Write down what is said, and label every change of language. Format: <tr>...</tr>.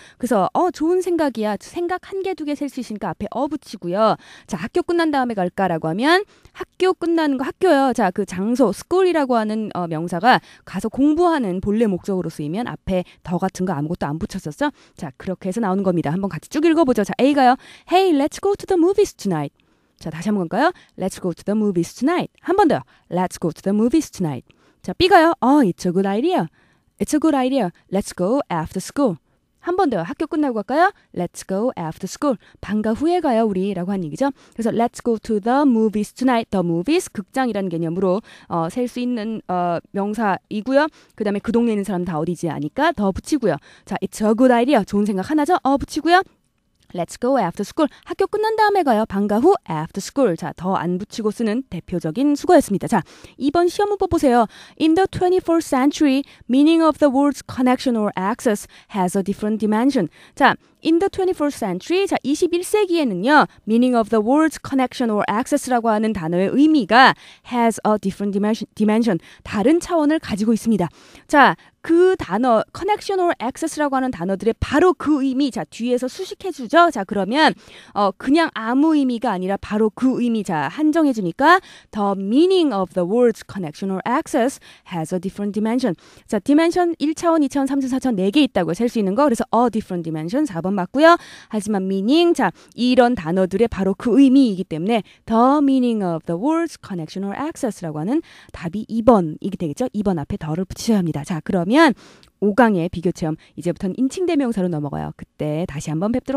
<ko>그래서 좋은 생각이야. 생각 한 개 두 개 셀 수 있으니까 앞에 붙이고요. 자, 학교 끝난 다음에 갈까라고 하면 학교 끝나는 거 학교요. 자, 그 장소 스쿨이라고 하는 명사가 가서 공부하는 본래 목적으로 쓰이면 앞에 더 같은 거 아무것도 안 붙였었죠. 자, 그렇게 해서 나오는 겁니다. 한번 같이 쭉 읽어보죠. 자, A가요.</ko> <en>Hey, let's go to the movies tonight.</en> <ko>자, 다시 한번 갈까요?</ko> <en>Let's go to the movies tonight.</en> <ko>한 번 더요.</ko> <en>Let's go to the movies tonight.</en> <ko>자, B가요.</ko> <en>Oh, it's a good idea. It's a good idea. Let's go after school.</en> <ko>한 번 더요. 학교 끝나고 갈까요?</ko> <en>Let's go after school.</en> <ko>방과 후에 가요, 우리. 라고 한 얘기죠.</ko> <en>그래서 Let's go to the movies tonight.</en> <ko>The movies, 극장이라는 개념으로 셀 수 있는 명사이고요. 그 다음에 그 동네에 있는 사람 다 어디지 아니까 더 붙이고요.</ko> <en>자, it's a good idea.</en> <ko>좋은 생각 하나죠? 붙이고요.</ko> <en>Let's go after school.</en> <ko>학교 끝난 다음에 가요. 방과 후</ko> <en>after school.</en> <ko>자, 더 안 붙이고 쓰는 대표적인 수거였습니다. 자, 이번 시험 문법 보세요.</ko> <en>In the 21st century, meaning of the words connection or access has a different dimension. 자, in the 21st century,</en> <ko>자, 21세기에는요,</ko> <en>meaning of the words connection or access</en> <ko>라고 하는 단어의 의미가</ko> <en>has a different dimension,</en> <ko>다른 차원을 가지고 있습니다. 자, 그 단어,</ko> <en>connection or access</en> <ko>라고 하는 단어들의 바로 그 의미, 자, 뒤에서 수식해주죠. 자, 그러면 그냥 아무 의미가 아니라 바로 그 의미, 자, 한정해주니까</ko> <en>the meaning of the words connection or access has a different dimension.</en> <ko>자, dimension 1차원, 2차원, 3차원, 4차원 4개 있다고 셀 수 있는 거, 그래서</ko> <en>a different dimension,</en> <ko>4번 맞고요. 하지만 meaning, 자, 이런 단어들의 바로 그 의미이기 때문에</ko> <en>the meaning of the words connection or access</en> <ko>라고 하는 답이 2번이게 되겠죠. 2번 앞에 더를 붙이셔야 합니다. 자, 그러면 5강의 비교체험, 이제부터는 인칭대명사로 넘어가요. 그때 다시 한번 뵙도록 하겠습니다.</ko>